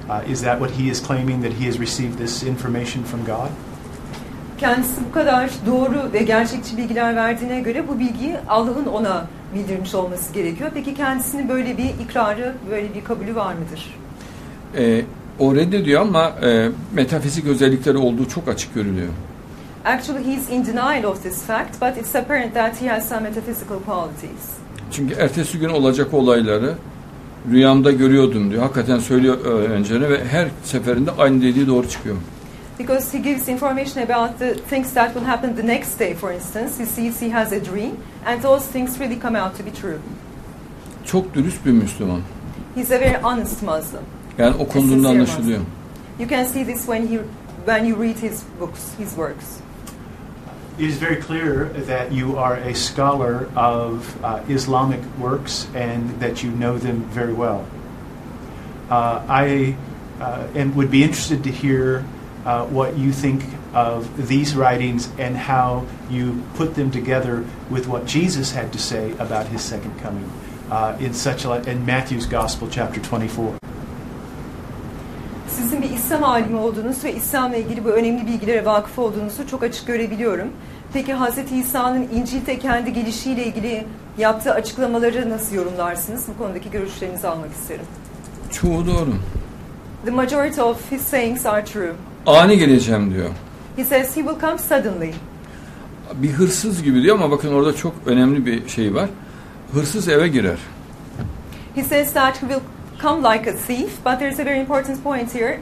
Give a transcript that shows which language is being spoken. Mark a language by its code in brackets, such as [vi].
[en] Is that what he is claiming, that he has received this information from God? [tr] Kendisi bu kadar doğru ve gerçekçi bilgiler verdiğine göre bu bilgiyi Allah'ın ona bildirmiş olması gerekiyor. Peki kendisinin böyle bir ikrarı, böyle bir kabulü var mıdır? O reddediyor ama metafizik özellikleri olduğu çok açık görülüyor. [en] Actually he's in denial of this fact, but it's apparent that he has some metaphysical qualities. [tr] Çünkü ertesi gün olacak olayları rüyamda görüyordum diyor. Hakikaten söylüyor öğrencilerine ve her seferinde aynı dediği doğru çıkıyor. [en] Because he gives information about the things that will happen the next day, for instance. He sees he has a dream and those things really come out to be true. [tr] Çok dürüst bir Müslüman. [en] He's a very honest Muslim. [tr] Yani okunduğunda anlaşılıyor. [en] You can see this when you read his books, his works. It is very clear that you are a scholar of Islamic works and that you know them very well. I would be interested to hear what you think of these writings and how you put them together with what Jesus had to say about his second coming in Matthew's Gospel chapter 24. [tr] Sizin bir İslam alimi olduğunuz ve İslam'la ilgili bu önemli bilgilere vakıf olduğunuzu çok açık görebiliyorum. Peki Hazreti İsa'nın İncil'de kendi gelişiyle ilgili yaptığı açıklamaları nasıl yorumlarsınız? Bu konudaki görüşlerinizi almak isterim. Çoğu doğru. [en] The majority of his sayings are true. [tr] Ani geleceğim diyor. [en] He says he will come suddenly. [tr] Bir hırsız gibi diyor ama bakın orada çok önemli bir şey var. Hırsız eve girer. [en] He says that he will come like a thief, but there is a very important point here.